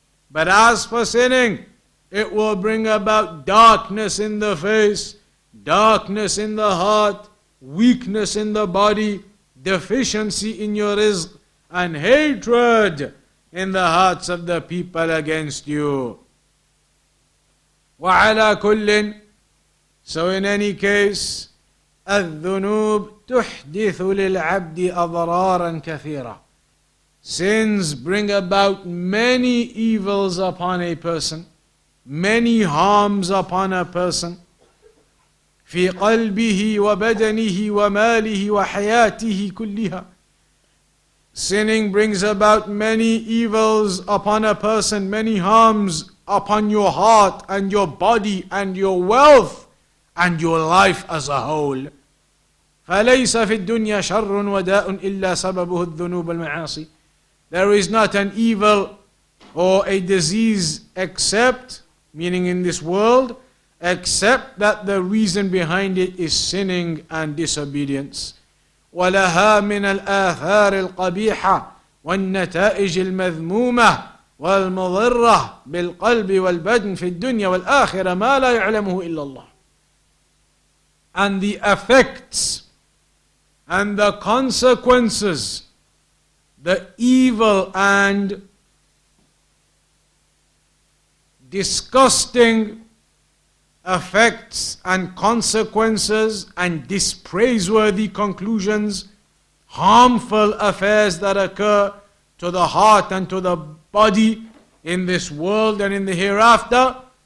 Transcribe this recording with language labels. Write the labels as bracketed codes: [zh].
[en] But as for sinning, it will bring about darkness in the face, darkness in the heart, weakness in the body, deficiency in your rizq, and hatred in the hearts of the people against you. [ar] وَعَلَى كُلٍ. [en] So in any case, [ar] الذنوب تحدث للعبد أضرارا كثيرة. [en] Sins bring about many evils upon a person, many harms upon a person. [ar] في قلبه وبدنه وماله وحياته كلها. [en] Sinning brings about many evils upon a person, many harms upon your heart and your body and your wealth and your life as a whole. [ar] فليس في الدنيا شر وداء إلا سببه الذنوب المعاصي. [en] There is not an evil or a disease except, meaning in this world, except that the reason behind it is sinning and disobedience. [ar] ولها من الآثار القبيحة والنتائج المذمومة والمضرة بالقلب والبدن في الدنيا والآخرة ما لا يعلمه إلا الله. [en] And the effects and the consequences, the evil and disgusting effects and consequences and dispraiseworthy conclusions, harmful affairs that occur to the heart and to the body in this world and in the hereafter,